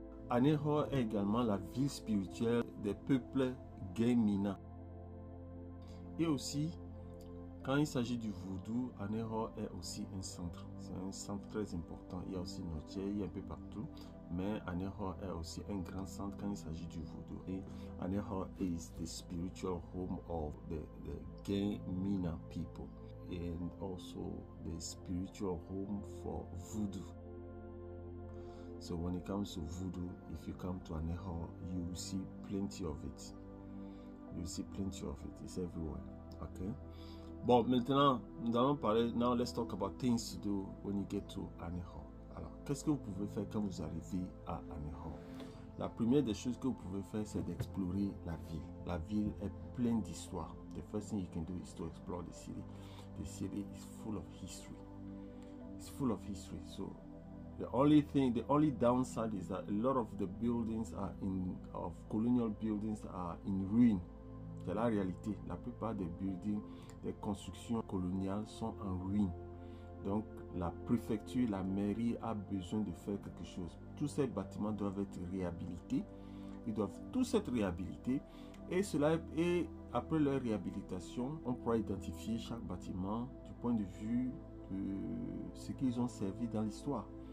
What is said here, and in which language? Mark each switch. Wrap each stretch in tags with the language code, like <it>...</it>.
<fr>Aneho est également la ville spirituelle des peuples Guin-Mina. Et aussi, quand il s'agit du voodoo, Aneho est aussi un centre. C'est un centre très important. Il y a aussi Notier, il y a un peu partout. Mais Aneho est aussi un grand centre quand il s'agit du voodoo.</fr> <en>Et Aneho is the spiritual home of the Guin-Mina people. And also the spiritual home for voodoo. So when it comes to voodoo, if you come to Aneho, you will see plenty of it. You will see plenty of it. It's everywhere. Okay?</en> <fr>Bon, maintenant, nous allons parler.</fr> <en>Now let's talk about things to do when you get to Aneho.</en> <fr>Alors, qu'est-ce que vous pouvez faire quand vous arrivez à Aneho? La première des choses que vous pouvez faire, c'est d'explorer la ville. La ville est pleine d'histoire.</fr> <en>The first thing you can do is to explore the city. The city is full of history. It's full of history. So, the only downside is that a lot of the buildings colonial buildings are in ruin.</en> <fr>C'est la réalité. La plupart des buildings, des constructions coloniales sont en ruine. Donc, la préfecture, la mairie a besoin de faire quelque chose. Tous ces bâtiments doivent être réhabilités. Ils doivent tous être réhabilités. Et cela est, après leur réhabilitation, on pourra identifier chaque bâtiment du point de vue de ce qu'ils ont servi dans l'histoire.</fr>